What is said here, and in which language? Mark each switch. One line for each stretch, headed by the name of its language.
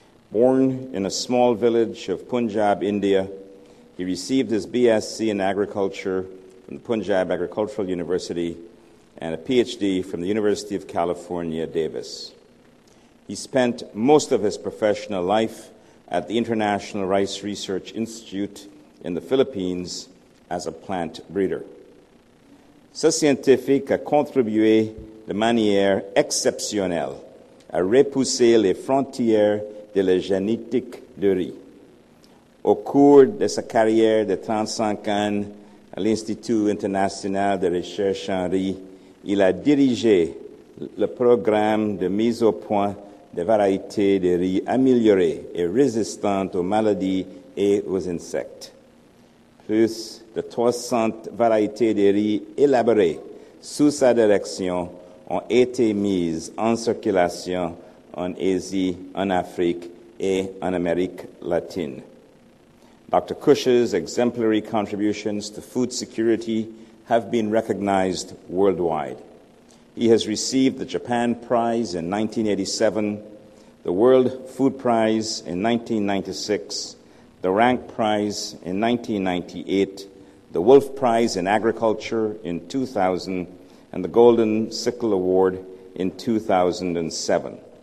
English: Born in a small village of Punjab, India, he received his BSc in agriculture from the Punjab Agricultural University and a PhD from the University of California, Davis. He spent most of his professional life at the International Rice Research Institute in the Philippines as a plant breeder.
French: Ce scientifique a contribué de manière exceptionnelle à repousser les frontières de la génétique de riz. Au cours de sa carrière de 35 ans à l'Institut international de recherche en riz, il a dirigé le programme de mise au point des variétés de riz améliorées et résistantes aux maladies et aux insectes. Plus de 300 variétés de riz élaborées sous sa direction ont été mises en circulation en Asie, en Afrique et en Amérique latine.
English: Dr. Kush's exemplary contributions to food security have been recognized worldwide. He has received the Japan Prize in 1987, the World Food Prize in 1996, the Rank Prize in 1998, the Wolf Prize in Agriculture in 2000, and the Golden Sickle Award in 2007.